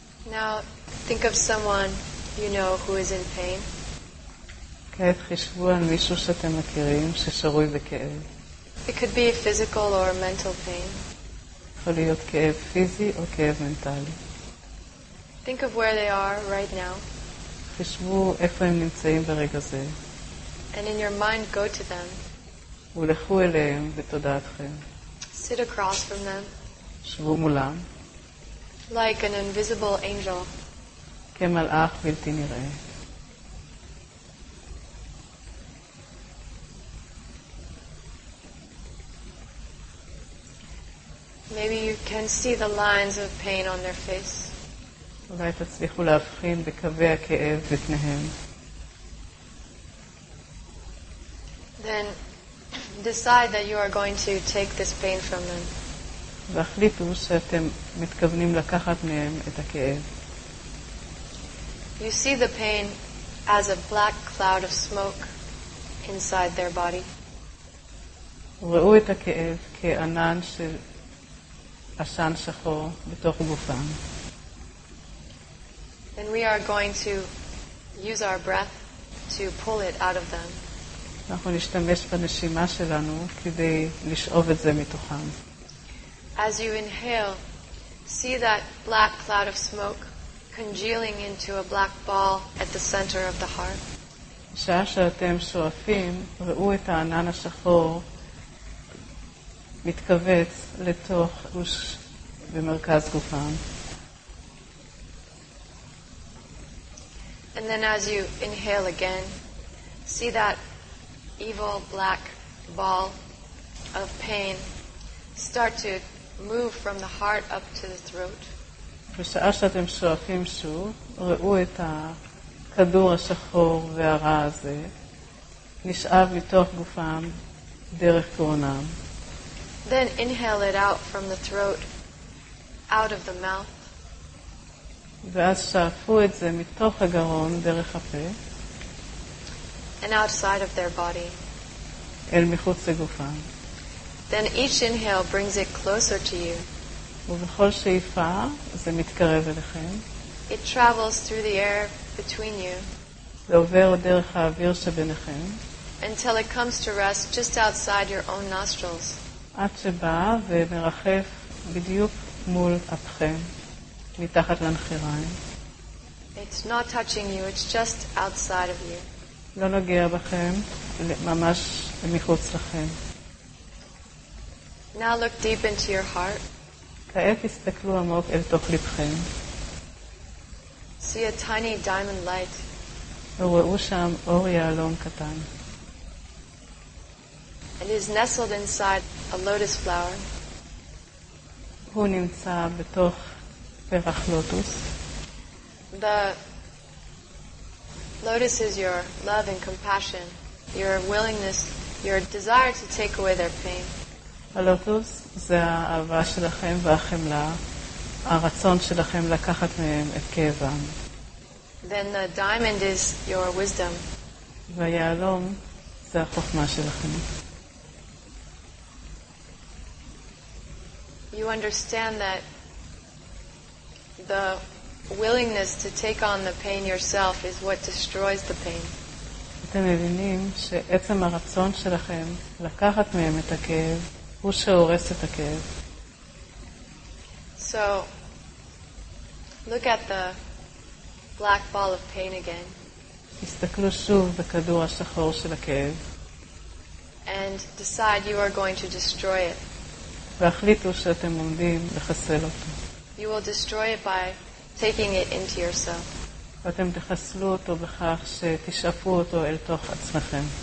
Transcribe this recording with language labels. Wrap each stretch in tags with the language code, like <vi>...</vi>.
<en>Now think of someone you know who is in pain.</en> <he>כעת חשבו על מישהו שאתם מכירים ששרוי בכאב.</he> <en>It could be a physical or a mental pain.</en> <he>יכול להיות כאב פיזי או כאב מנטלי.</he> <en>Think of where they are right now.</en> <he>חשבו איפה הם נמצאים ברגע זה.</he> <en>And in your mind go to them.</en> <he>ולכו אליהם בתודעתכם.</he> <en>Sit across from them.</en> <he>שבו מולם.</he> <en>Like an invisible angel.</en> <he>כמלאך בלתי נראה.</he> <en>Maybe you can see the lines of pain on their face.</en> <he>אולי תצליחו להבחין בקווי הכאב בפניהם.</he> <en>Then decide that you are going to take this pain from them.</en> <he>והחליטו שאתם מתכוונים לקחת מהם את הכאב.</he> <en>You see the pain as a black cloud of smoke inside their body.</en> <he>ראו את הכאב כענן של עשן שחור בתוך גופם.</he> <en>And we are going to use our breath to pull it out of them.</en> <he>אנחנו נשתמש בנשימה שלנו כדי לשאוב את זה מתוכם.</he> <en>As you inhale, see that black cloud of smoke congealing into a black ball at the center of the heart.</en> <he>כשעה שאתם שואפים, ראו את הענן השחור מתכווץ לתוך גוש במרכז גופם.</he> <en>And then as you inhale again, see that evil black ball of pain start to move from the heart up to the throat.</en> <he>בשעה שאתם שואפים שוב, ראו את הכדור השחור והרע הזה נשאב מתוך גופם דרך גרונם.</he> <en>Then inhale it out from the throat, out of the mouth.</en> <he>ואז שאפו את זה מתוך הגרון דרך הפה.</he> <en>And outside of their body.</en> <he>אל מחוץ לגופם.</he> <en>Then each inhale brings it closer to you.</en> <he>ובכל שאיפה זה מתקרב אליכם.</he> <en>It travels through the air between you.</en> <he>זה עובר דרך האוויר שביניכם.</he> <en>Until it comes to rest just outside your own nostrils.</en> <he>עד שבא ומרחף בדיוק מול אפכם, מתחת לנחיריים.</he> <en>It's not touching you, it's just outside of you.</en> <he>לא נוגע בכם, ממש מחוץ לכם.</he> <en>Now look deep into your heart.</en> <he>כעת הסתכלו עמוק אל תוך לבכם.</he> <en>See a tiny diamond light.</en> <he>וראו שם אור יעלום קטן.</he> <en>It is nestled inside a lotus flower.</en> <he>הוא נמצא בתוך פרח לוטוס.</he> <en>The lotus is your love and compassion, your willingness, your desire to take away their pain.</en> <he>הלוטוס זה האהבה שלכם והחמלה, הרצון שלכם לקחת מהם את כאבם.</he> <en>Then the diamond is your wisdom.</en> <he>והיהלום זה החוכמה שלכם.</he> <en>You understand that the willingness to take on the pain yourself is what destroys the pain.</en> <he>אתם מבינים שעצם הרצון שלכם לקחת מהם את הכאב הוא שהורס את הכאב.</he> <en>So look at the black ball of pain again.</en> <he>הסתכלו שוב בכדור השחור של הכאב.</he> <en>And decide you are going to destroy it.</en> <he>והחליטו שאתם עומדים לחסל אותו.</he> <en>You will destroy it by taking it into yourself.</en> <he>ואתם תחסלו אותו בכך שתשאפו אותו אל תוך עצמכם.</he>